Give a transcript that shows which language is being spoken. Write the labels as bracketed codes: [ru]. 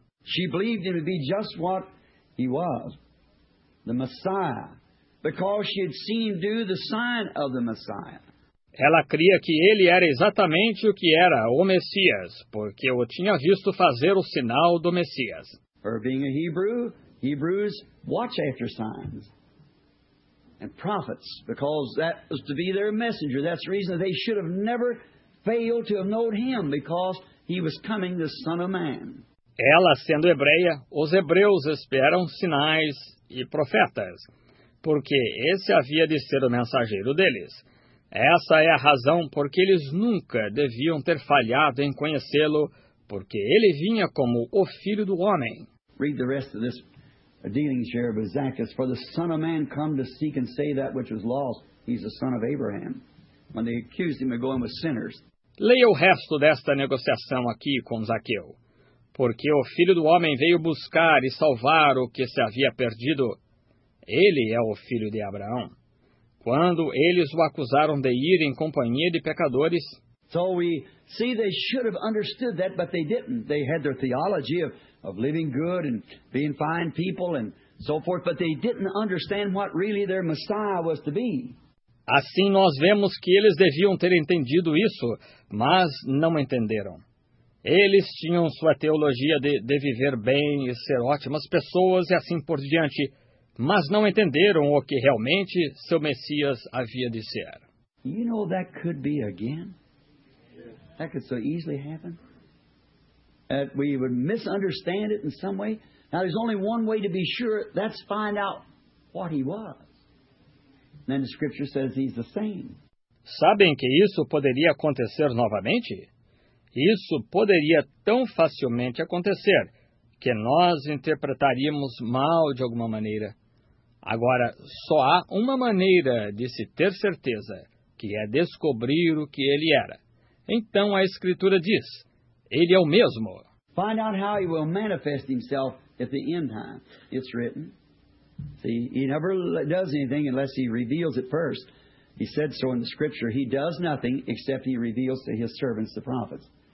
[en] She believed him to be just what he was, the Messiah, because she had seen do the sign of the Messiah. [pt] Ela cria que ele era exatamente o que era, o Messias, porque o tinha visto fazer o sinal do Messias. [en] Her being a Hebrew, Hebrews watch after signs and prophets, because that was to be their messenger. That's the reason they should have never failed to have known him, because he was coming, the Son of Man. [pt] Ela, sendo hebreia, os hebreus esperam sinais e profetas, porque esse havia de ser o mensageiro deles. Essa é a razão porque eles nunca deviam ter falhado em conhecê-lo, porque ele vinha como o Filho do Homem. [en] Read the rest of this dealings here with Zacchaeus. For the Son of Man come to seek and save that which was lost. He's the son of Abraham. When they accused him of going with sinners. [pt] Leia o resto desta negociação aqui com Zaqueu. Porque o Filho do Homem veio buscar e salvar o que se havia perdido. Ele é o filho de Abraão. Quando eles o acusaram de ir em companhia de pecadores. [en] So we see they should have understood that, but they didn't. They had their theology of living good and being fine people and so forth, but they didn't understand what really their Messiah was to be. [pt] Assim nós vemos que eles deviam ter entendido isso, mas não entenderam. Eles tinham sua teologia de viver bem e ser ótimas pessoas e assim por diante, mas não entenderam o que realmente seu Messias havia de ser. [en] You know that could be again. That could so easily happen. That we would misunderstand it in some way. Now there's only one way to be sure. That's find out what he was. And then the scripture says he's the same. [pt] Sabem que isso poderia acontecer novamente? Isso poderia tão facilmente acontecer que nós interpretaríamos mal de alguma maneira. Agora, só há uma maneira de se ter certeza, que é descobrir o que ele era. Então a Escritura diz, ele é o mesmo. [en] Find out how he will manifest himself at the end time. It's written. See, he never does anything unless he reveals it first. He said so in the Scripture. He does nothing except he reveals to his servants the prophets.